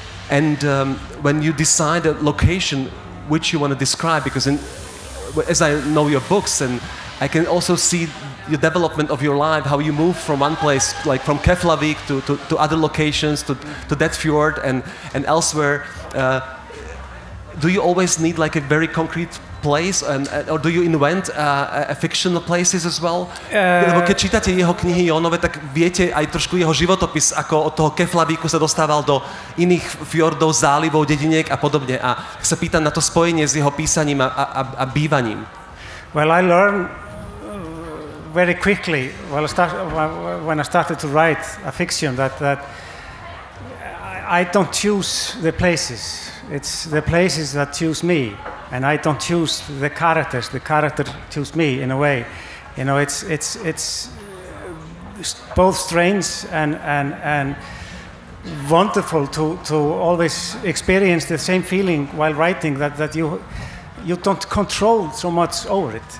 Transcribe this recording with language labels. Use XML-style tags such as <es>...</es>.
<en>And when you decide a location which you want to describe, because as I know your books, and I can also see your development of your life, how you move from one place, like from Keflavik to other locations, to that fjord and elsewhere. Do you always need like a very concrete place or do you invent a fictional places as well?</en> <sk>Lebo keď čítate jeho knihy Jónove, tak viete aj trošku jeho životopis, ako od toho Keflavíku sa dostával do iných fjordov, zálivov, dediniek a podobne. A sa pýtam na to spojenie s jeho písaním a bývaním.</sk> <en>Well, I learn very quickly when I started to write a fiction that I don't choose the places. It's the places that choose me, and I don't choose the characters. The character choose me in a way. You know, it's both strange and wonderful to always experience the same feeling while writing that you don't control so much over it.</en>